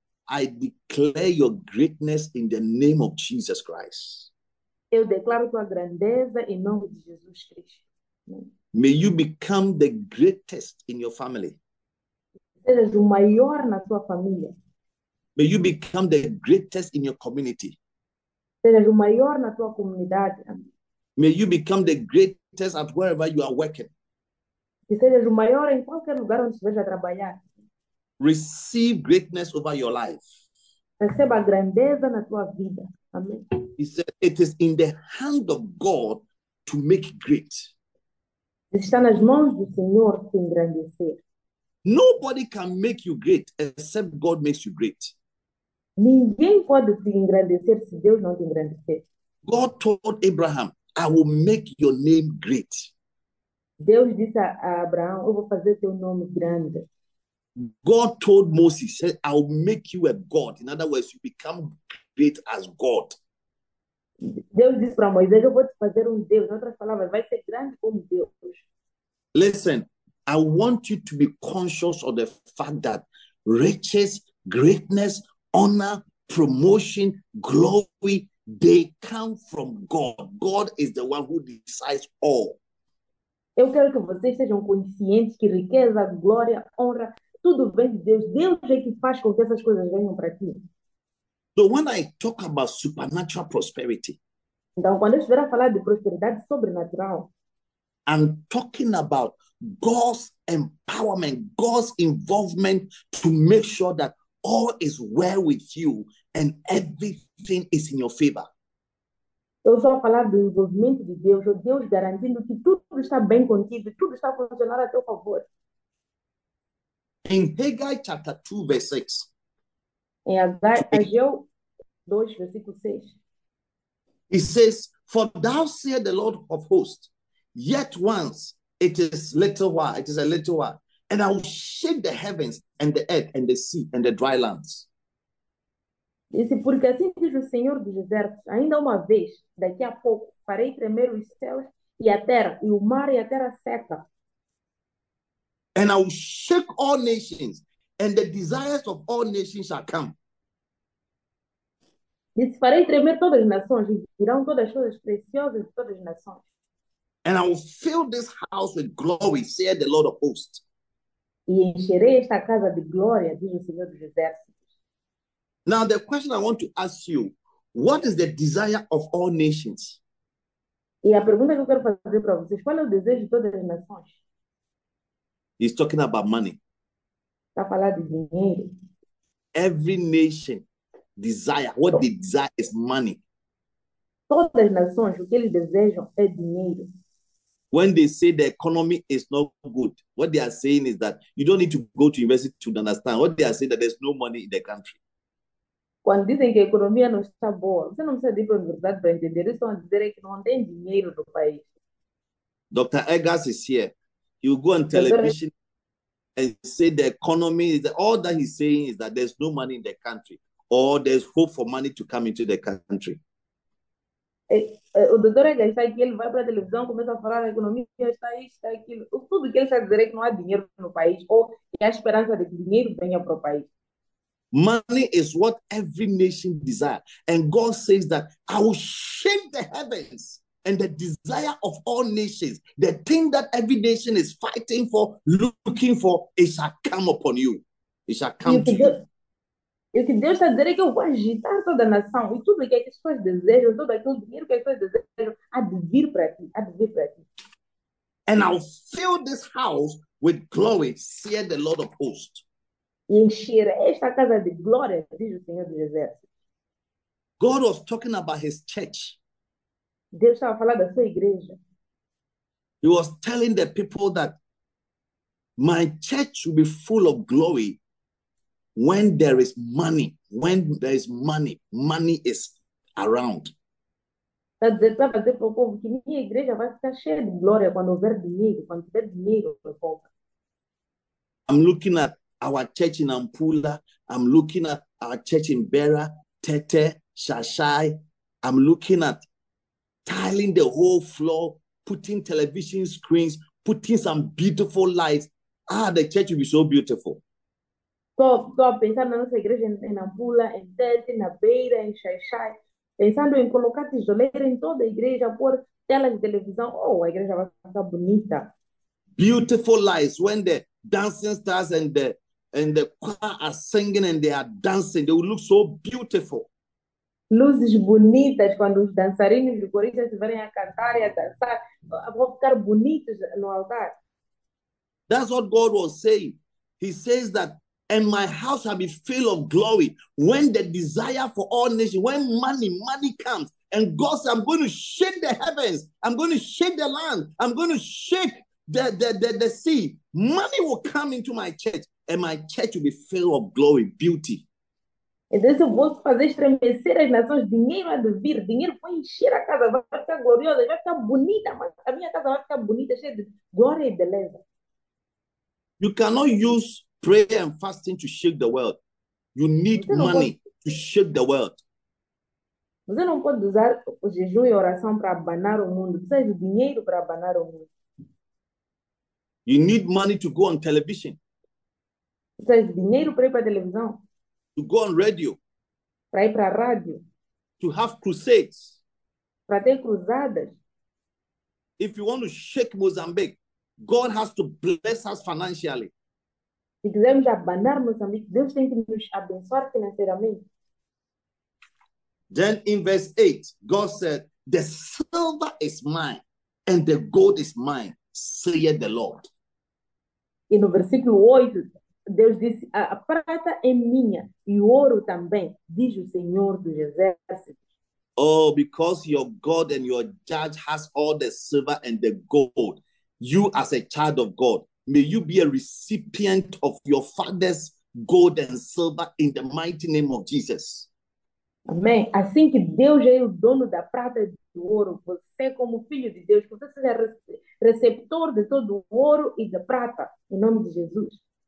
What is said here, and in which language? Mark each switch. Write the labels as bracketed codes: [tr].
[en] I declare your greatness in the name of Jesus Christ. [pt] Eu declaro tua grandeza em nome de Jesus Cristo. [en] May you become the greatest in your family. [pt] Sejas o maior na tua família. [en] May you become the greatest in your community. [pt] Sejas o maior na tua comunidade. [en] May you become the greatest at wherever you are working. [pt] Que seja o maior em qualquer lugar onde esteja a trabalhar. [en] Receive greatness over your life. [pt] Receba a grandeza na tua vida. Amém. [en] He said, it is in the hand of God to make great. [pt] Está nas mãos do Senhor te engrandecer. [en] Nobody can make you great except God makes you great. [pt] Ninguém pode te engrandecer se Deus não te engrandecer. [en] God told Abraham, I will make your name great. [pt] Deus disse a Abraão: Eu vou fazer teu nome grande. [en] God told Moses, said, I will make you a God. In other words, you become great as God. [pt] Deus disse para Moisés: Eu vou te fazer um Deus. Em outras palavras, vai ser grande como Deus. [en] Listen, I want you to be conscious of the fact that riches, greatness, honor, promotion, glory, they come from God. God is the one who decides all. [pt] Eu quero que vocês sejam conscientes que riqueza, glória, honra, tudo vem de Deus. Deus é que faz com que essas coisas venham para ti. [en] So when I talk about supernatural prosperity, [pt] Então, quando eu estiver a falar de prosperidade sobrenatural, [en] I'm talking about God's empowerment, God's involvement to make sure that all is well with you and everything is in your favor. [pt] eu só falar do envolvimento de Deus, o Deus garantindo que tudo está bem contigo, tudo está funcionando a teu favor. [en] In Haggai chapter 2, verse 6, [pt] Em Ageu 2, versículo 6. [en] it says, For thou sayest the Lord of hosts, yet once it is a little while. And I will shake the heavens and the earth and the sea and the dry lands. [pt] Disse, porque assim diz o Senhor dos Exércitos, ainda uma vez, daqui a pouco, farei tremer os céus e a terra, e o mar e a terra seca. [en] And I will shake all nations, and the desires of all nations shall come. [pt] Disse, farei tremer todas as nações, e virão todas as coisas preciosas de todas as nações. [en] And I will fill this house with glory, saith the Lord of hosts. [pt] E encherei esta casa de glória, diz o Senhor dos Exércitos. [en] Now, the question I want to ask you, what is the desire of all nations? [pt] E a pergunta que eu quero fazer para vocês, qual é o desejo de todas as nações? [en] He's talking about money. [pt] Está falando de dinheiro. [en] Every nation desire, what they desire is money. [pt] Todas as nações, o que eles desejam é dinheiro. [en] When they say the economy is not good, what they are saying is that you don't need to go to university to understand. What they are saying is that there's no money in the country. [pt] Quando dizem que a economia não está boa, você não precisa ir para a universidade para entender. Eles estão a dizer que não tem dinheiro no país. [en] Dr. Eggers is here. He will go on [pt] Agora. [en] television and say the economy is all that he's saying is that there's no money in the country or there's hope for money to come into the country. [pt] O doutor é que está aqui, ele vai para a televisão, começa a falar da economia, está aquilo. Tudo que ele está a dizer é que não há dinheiro no país, ou que há esperança de que dinheiro venha para o país. [en] Money is what every nation desires. And God says that I will shake the heavens and the desire of all nations, the thing that every nation is fighting for, looking for, it shall come upon you. It shall [pt] E [en] come to you. [pt] o que Deus está a dizer é que eu vou agitar toda a nação e tudo o que as pessoas desejam, todo aquele dinheiro que as pessoas desejam, há de vir para ti, há de vir para ti. [en] And I'll fill this house with glory, saith the Lord of hosts. [pt] E encher esta casa de glória, diz o Senhor dos Exércitos. [en] God was talking about his church. [pt] Deus estava a falar da sua igreja. [en] He was telling the people that my church will be full of glory when there is money, when there is money, money is around. [pt] Está a dizer para fazer para o povo que minha igreja vai ficar cheia de glória quando houver dinheiro, quando tiver dinheiro para o povo. [en] I'm looking at our church in Ampula. I'm looking at our church in Beira, Tete. Shashai, I'm looking at tiling the whole floor, putting television screens, putting some beautiful lights. Ah, the church will be so beautiful. [pt] Estou a pensar na nossa igreja em Nampula, em Tete, na Beira, em Xai-Xai. Pensando em colocar tijoleira em toda a igreja, pôr telas de televisão, a igreja vai ficar bonita. [en] Beautiful lights when the dancing stars and the choir are singing and they are dancing, they will look so beautiful. [pt] Luzes bonitas, quando os dançarinos de Corinthians estiverem a cantar e a dançar, vão ficar bonitos no altar. [en] That's what God was saying. He says that, and my house shall be filled of glory when the desire for all nations, when money comes, and God says, I'm going to shake the heavens, I'm going to shake the land, I'm going to shake the sea. Money will come into my church, and my church will be filled of glory, beauty. [pt] E Deus, eu vou fazer estremecer as nações. Dinheiro há de vir, dinheiro vai encher a casa, vai ficar gloriosa, vai ficar bonita. A minha casa vai ficar bonita, cheia de glória e beleza. [en] You cannot use prayer and fasting to shake the world. You need money to shake the world. [pt] Você não pode usar o jejum e a oração para abanar o mundo. Precisa de dinheiro para abanar o mundo. [en] You need money to go on television, [pt] Precisa de dinheiro para ir para a televisão. [en] to go on radio, [pt] Para ir para a rádio, [en] to have crusades. [pt] para ter cruzadas. [en] If you want to shake Mozambique, God has to bless us financially. [pt] Se quisermos abanar Moçambique, Deus tem que nos abençoar financeiramente. [en] Then in verse 8, God said, "The silver is mine and the gold is mine, saith the Lord." [pt] E no versículo 8, Deus disse: a prata é minha e o ouro também, diz o Senhor dos Exércitos. [en] Oh, because your God and your judge has all the silver and the gold. You, as a child of God, may you be a recipient of your father's gold and silver in the mighty name of Jesus. [pt] Amém. Assim que Deus é o dono da prata e do ouro, você, como filho de Deus, você seja receptor de todo o ouro e da prata, em nome de Jesus.